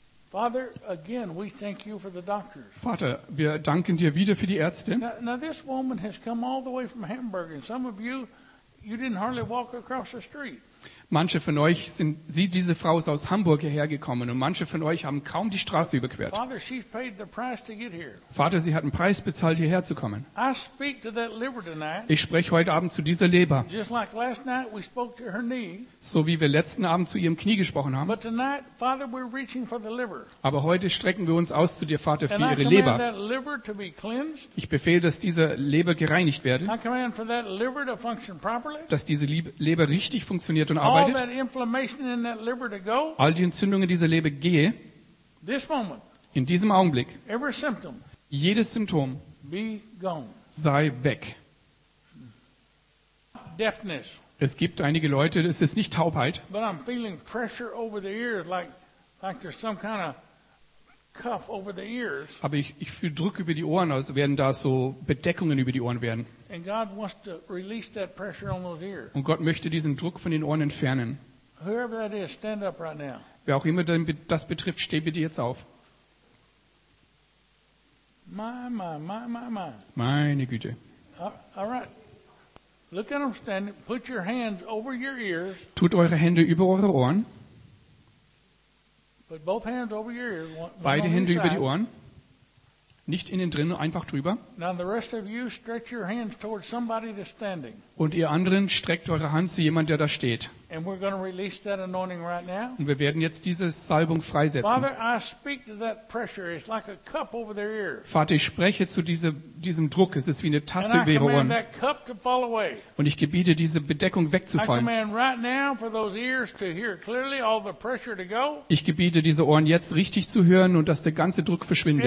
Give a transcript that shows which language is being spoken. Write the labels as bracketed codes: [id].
[en] Father, again, we thank you for the doctors. [de] Vater, wir danken dir wieder für die Ärzte. [en] Now this woman has come all the way from Hamburg, and some of you, you didn't hardly walk across the street. [de] Manche von euch sind, sie, diese Frau ist aus Hamburg hierher gekommen und manche von euch haben kaum die Straße überquert. [en] Father, she's paid the price to get here. [de] Vater, sie hat einen Preis bezahlt, hierher zu kommen. [en] I speak to that liver tonight. [de] Ich spreche heute Abend zu dieser Leber. [en] Just like last night we spoke to her knee. [de] So wie wir letzten Abend zu ihrem Knie gesprochen haben. [en] But tonight, Father, we're reaching for the liver. [de] Aber heute strecken wir uns aus zu dir, Vater, für [en] and [de] ihre [en] I [de] Leber. [en] That liver to be cleansed. [de] Ich befehle, dass diese Leber gereinigt werde. [en] I command for that liver to function properly. [de] Dass diese Leber richtig funktioniert und arbeitet. [en] All that inflammation in that liver to go. [de] All die Entzündungen dieser Leber gehe. [en] This moment. [de] In diesem Augenblick. [en] Every symptom. [de] Jedes Symptom. [en] Be gone. [de] Sei weg. [en] Deafness. [de] Es gibt einige Leute, es ist nicht Taubheit. [en] But I'm feeling pressure over the ears, like there's some kind of cuff over the ears. [de] Aber ich fühle Druck über die Ohren, also werden da so Bedeckungen über die Ohren werden. [en] And God wants to release that pressure on those ears. [de] Und Gott möchte diesen Druck von den Ohren entfernen. [en] Whoever that is, stand up right now. [de] Wer auch immer das betrifft, steh bitte jetzt auf. [en] My. [de] Meine Güte. [en] All right. Look at them standing. Put your hands over your ears. [de] Tut eure Hände über eure Ohren. [en] Put both hands over your ears. [de] Beide Hände über die Ohren. Nicht innen drin, einfach drüber. [en] Now the rest of you stretch your hands towards somebody that's standing. [de] Und ihr anderen streckt eure Hand zu jemand, der da steht. [en] And we're going to release that anointing right now. [de] Und wir werden jetzt diese Salbung freisetzen. [en] Father, I speak to that pressure. It's like a cup over their ear. [de] Vater, ich spreche zu diesem Druck. Es ist wie eine Tasse über ihre Ohren. [en] And I command that cup to fall away. [de] Und ich gebiete, diese Bedeckung wegzufallen. [en] I command right now for those ears to hear clearly, all the pressure to go. [de] Ich gebiete, diese Ohren jetzt richtig zu hören und dass der ganze Druck verschwindet.